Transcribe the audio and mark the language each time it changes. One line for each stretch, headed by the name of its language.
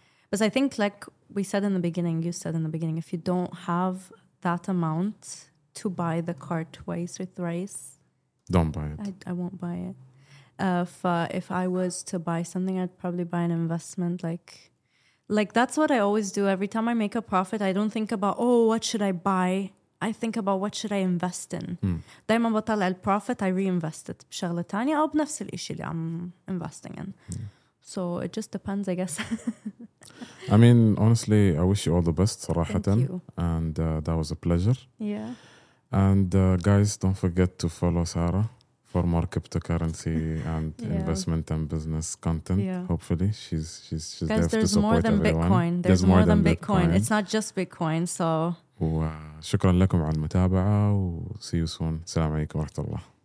English: But I think, like we said in the beginning, you said in the beginning, if you don't have that amount to buy the car twice or thrice, don't buy it. I won't buy it. If I was to buy something, I'd probably buy an investment like. Like, that's what I always do. Every time I make a profit, I don't think about, oh, what should I buy? I think about what should I invest in.
Arabic: دايما بطلع الprofit,
English: I reinvest it
Arabic: بشغلة تانية أو بنفس الإشي اللي
English: I'm investing in. So it just depends, I guess. I mean, honestly, I wish you all the best, صراحة. Thank you. And that was a pleasure. Yeah. And guys, don't forget to follow Sarah. For more cryptocurrency and investment and business content, hopefully she's there to support everyone. There's more than Bitcoin. There's more than Bitcoin. It's not just Bitcoin. So.
Arabic: شكرا لكم على المتابعة و
English: see you soon.
Arabic: السلام عليكم ورحمة الله.